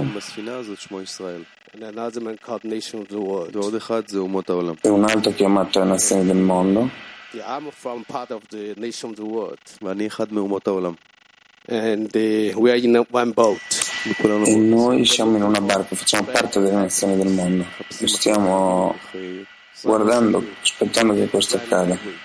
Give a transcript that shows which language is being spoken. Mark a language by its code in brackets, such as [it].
[en] And another man called Nation of the World. [he] ועוד אחד זה אומות העולם. [it] E un altro chiamato Nazione del Mondo. [en] Yeah, I'm from part of the Nation of the World. [he] ואני אחד מאומות העולם. [en] And we are in one boat. [it] e noi siamo in una barca, facciamo parte delle nazioni del mondo e stiamo guardando, aspettando che questo accada.